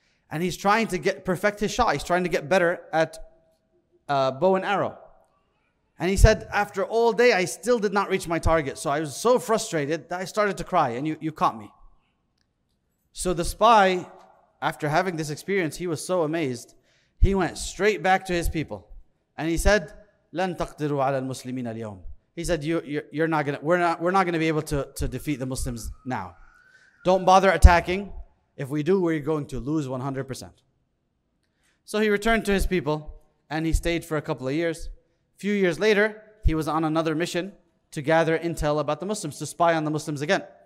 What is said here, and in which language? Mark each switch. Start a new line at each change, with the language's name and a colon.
English: And he's trying to perfect his shot. He's trying to get better at bow and arrow. And he said, after all day, I still did not reach my target. So I was so frustrated that I started to cry, and you caught me. So the spy, after having this experience, he was so amazed. He went straight back to his people. And he said,
Arabic: لن تقدروا على المسلمين اليوم.
English: He said, "We're not going to be able to defeat the Muslims now. Don't bother attacking. If we do, we're going to lose 100%. So he returned to his people and he stayed for a couple of years. A few years later, he was on another mission to gather intel about the Muslims, to spy on the Muslims again.